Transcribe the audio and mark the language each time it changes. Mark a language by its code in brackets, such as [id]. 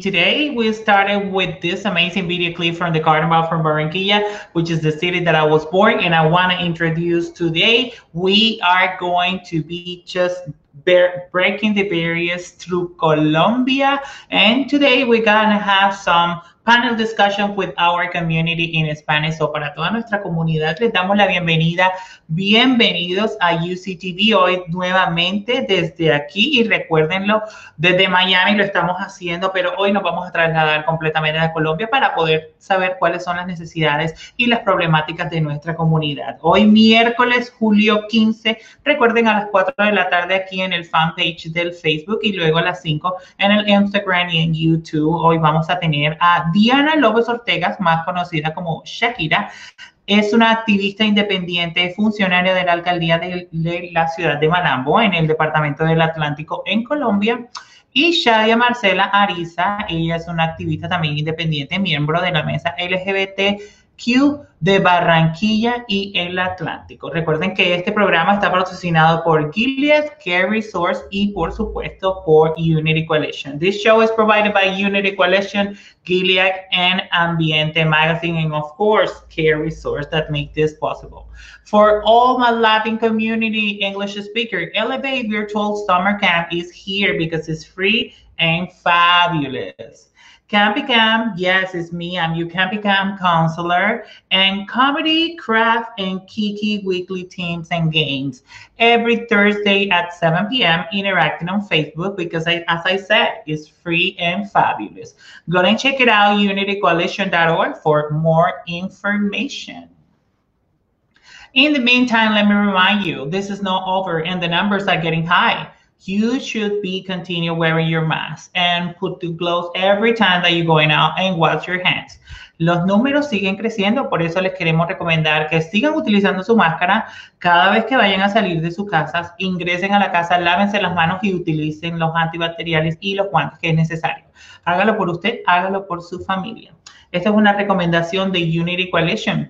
[en] Today, we started with this amazing video clip from the Carnival from Barranquilla, which is the city that I was born in, and I want to introduce today. We are going to be just breaking the barriers through Colombia. And today, we're going to have some panel discussion with our community in Spanish. [es] So para toda nuestra comunidad, les damos la bienvenida. Bienvenidos a UCTV hoy nuevamente desde aquí. Y recuérdenlo, desde Miami lo estamos haciendo, pero hoy nos vamos a trasladar completamente a Colombia para poder saber cuáles son las necesidades y las problemáticas de nuestra comunidad. Hoy miércoles, julio 15, recuerden a las 4 de la tarde aquí en el fanpage del Facebook y luego a las 5 en el Instagram y en YouTube. Hoy vamos a tener a Diana López Ortega, más conocida como Shakira. Es una activista independiente, funcionaria de la alcaldía de la ciudad de Malambo, en el departamento del Atlántico, en Colombia. Y Shadia Marcela Ariza, ella es una activista también independiente, miembro de la mesa LGBTQ de Barranquilla y el Atlántico. Recuerden que este programa está patrocinado por Gilead Care Resource y, por supuesto, por Unity Coalition. [en] This show is provided by Unity Coalition, Gilead and Ambiente Magazine, and of course, Care Resource that make this possible. For all my Latin community English speakers, Elevate Virtual Summer Camp is here because it's free and fabulous. CampiCam, yes, it's me. I'm your CampiCam counselor. And Comedy, Craft, and Kiki weekly teams and games. Every Thursday at 7 p.m. interacting on Facebook because, as I said, it's free and fabulous. Go and check it out, unitycoalition.org, for more information. In the meantime, let me remind you, this is not over and the numbers are getting high. You should be continue wearing your mask and put the gloves every time that you're going out and wash your hands. [es] Los números siguen creciendo, por eso les queremos recomendar que sigan utilizando su máscara cada vez que vayan a salir de sus casas, ingresen a la casa, lávense las manos y utilicen los antibacteriales y los guantes que es necesario. Hágalo por usted, hágalo por su familia. Esta es una recomendación de Unity Coalition.